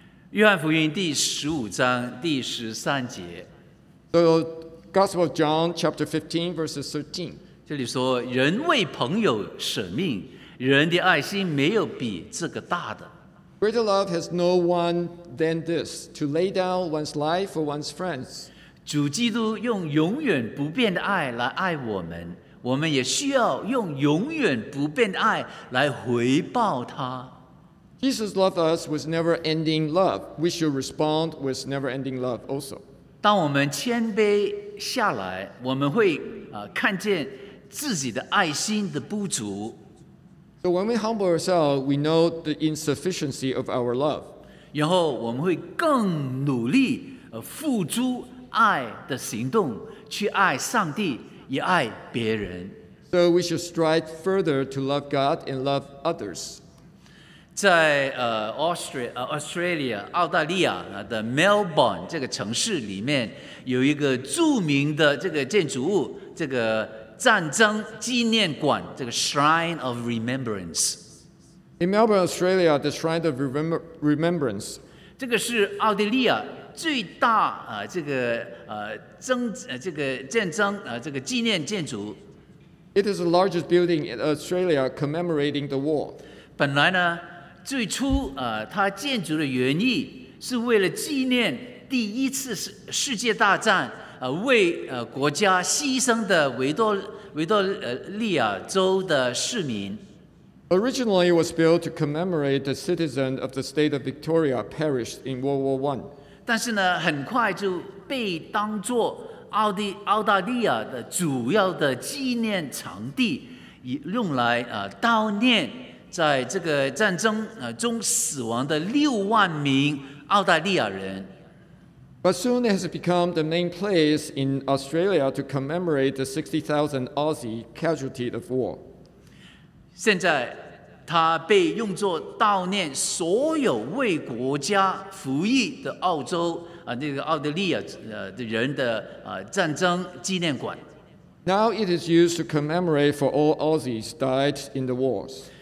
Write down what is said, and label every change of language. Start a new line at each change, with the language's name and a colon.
Chinese: 约翰福音第十五章第十三节。
English: So Gospel of John chapter 15 verses 13.
Chinese: 这里说，人为朋友舍命，人的爱心没有比这个大的。
English: Greater love has no one than this, to lay down one's life for one's friends.
Chinese: 主基督用永远不变的爱来爱我们，我们也需要用永远不变的爱来回报他。
English: Jesus loved us with never-ending love. We should respond with never-ending love also.
Chinese: 当我们谦卑下来，我们会看见自己的爱心的不足。
English: So when we humble ourselves, we know the insufficiency of our love.
Chinese: 然后我们会更努力付诸爱的行动，去爱上帝，也爱别人。
English: So we should strive further to love God and love others.
Chinese: 在Australia 澳大利亚的 Melbourne 这个城市里面，有一个著名的这个建筑物，这个战争纪念馆，这个 Shrine of Remembrance。
English: In Melbourne, Australia, the Shrine of Remembrance。
Chinese: 这个是澳大利亚最大纪念建筑。
English: It is the largest building in Australia commemorating the war。
Chinese: 本来呢，最初它建筑的原意是为了纪念第一次世界大战为国家牺牲的维多利亚州的市民。
English: Originally, it was built to commemorate the citizens of the state of Victoria perished in World War I.
Chinese: 但是呢，很快就被当作澳大利亚的主要的纪念场地，用来悼念在这个战争中死亡的60,000澳大利亚人。
English: But soon it has become the main place in Australia to commemorate the 60,000 Aussie casualties of war.
Chinese: 现在它被用作悼念所有为国家服役的澳洲那个澳大利亚的人的战争纪念馆。
English: Now it is used to commemorate for all Aussies died in the wars.